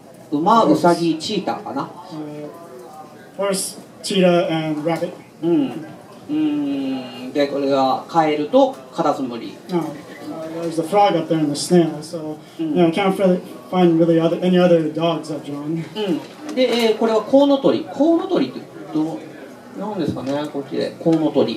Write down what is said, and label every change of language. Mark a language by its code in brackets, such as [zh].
[ja] 馬、ウサギ、チーターかな。 [en] ホース、チーター、and rabbit。 [ja] で、これがカエルとカタツムリ。 [en] There's the frog up there and the snail, so you know, can't really find really other, any other dogs I've drawn. [ja] で、これはコウノトリ。コウノトリってどう、なんですかね、こっちで。コウノトリ。